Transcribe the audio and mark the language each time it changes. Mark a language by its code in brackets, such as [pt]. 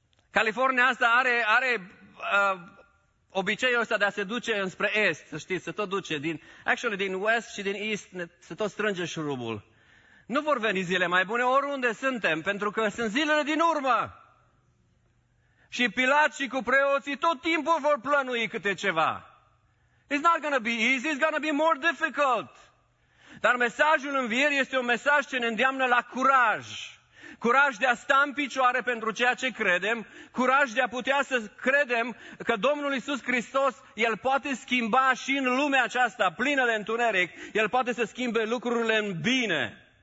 [ro] California asta are obiceiul ăsta de a se duce înspre est, să știți, se tot duce din west și din east, se tot strânge șurubul. Nu vor veni zile mai bune oriunde suntem, pentru că sunt zilele din urmă. Și Pilat și cu preoții tot timpul vor plănui câte ceva. [en] It's not going to be easy, it's going to be more difficult. [ro] Dar mesajul învierii este un mesaj ce ne îndeamnă la curaj. Curaj de a sta în picioare pentru ceea ce credem, curaj de a putea să credem că Domnul Iisus Hristos, El poate schimba și în lumea aceasta plină de întuneric, El poate să schimbe lucrurile în bine.